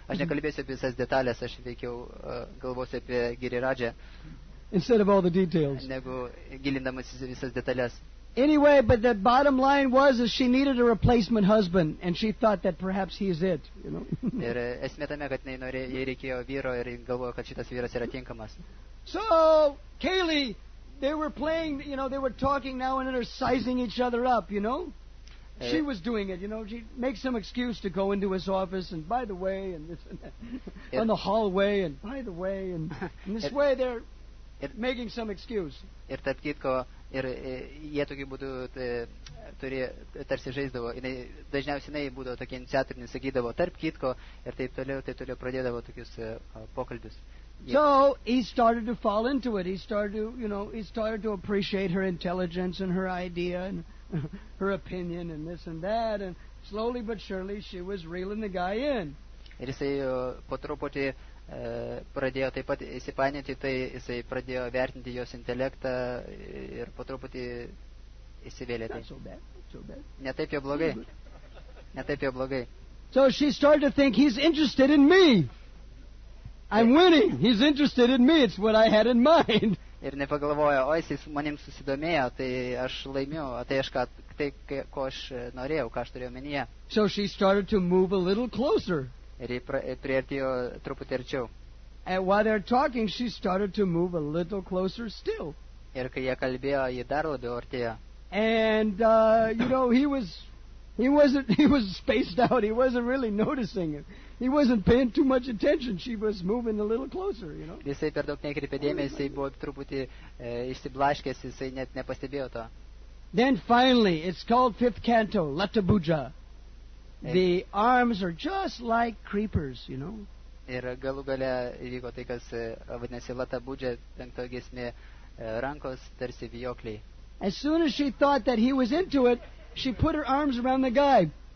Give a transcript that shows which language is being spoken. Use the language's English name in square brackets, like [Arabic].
[Lithuanian] Aš nekalbėsiu apie visas detalės, aš veikiau galvosiu apie Giriradžią. [English] Instead of all the details. [Lithuanian] Negu gilindamasis visas detalės. [English] Anyway, but the bottom line was that she needed a replacement husband, and she thought that perhaps he is it, you know. [Lithuanian] Ir esmė tame, kad jai reikėjo vyro ir galvojo, kad šitas vyras yra tinkamas. [English] So, Kaylee, they were playing, you know, they were talking now and they're sizing each other up, you know. She was doing it, you know, she makes some excuse to go into his office, and by the way, and this and that, on the hallway, and by the way, and in this way they're making some excuse. [Lithuanian] Ir tarp kitko, ir jie tokiu būdu turi, tarsi žaisdavo, dažniausiai jinai būdavo tokie iniciatoriniai, sakydavo tarp kitko, ir taip toliau pradėdavo tokius pokalbius. [English] So, he started to fall into it, he started to, you know, he started to appreciate her intelligence and her idea, and her opinion and this and that, and slowly but surely she was reeling the guy in. [Lithuanian] Ir jisai po truputį pradėjo taip pat įsipainioti, tai jisai pradėjo vertinti jos intelektą ir po truputį įsivėlė tai. Ne taip jau blogai. Ne taip jau blogai. [English] So she started to think he's interested in me. I'm winning. He's interested in me. It's what I had in mind. [Lithuanian] Ir nepagalvojo, o jis manim susidomėjo, tai aš laimiu, o tai aš ką, tai ko aš norėjau, ką aš turėjau menyje. [English] So she started to move a little closer. [Lithuanian] Ir ji priartėjo truputį arčiau. [English] And while they're talking, she started to move a little closer still. [Lithuanian] Ir kai jie kalbėjo, ji dar labiau artėjo. [English] And, you know, he was spaced out, he wasn't really noticing it. He wasn't paying too much attention. She was moving a little closer, you know. [Lithuanian] Jisai per daug nekreipė dėmesio, jisai buvo truputį išsiblaškęs, jisai net nepastebėjo to. [English] Then finally, it's called fifth canto, Latabuja. The arms are just like creepers, you know. [Lithuanian] Ir galų gale įvyko tai, kas vadinasi Latabuja, penkto giesmė, rankos tarsi vijokliai. [English] As soon as she thought that he was into it, she put her arms around the guy.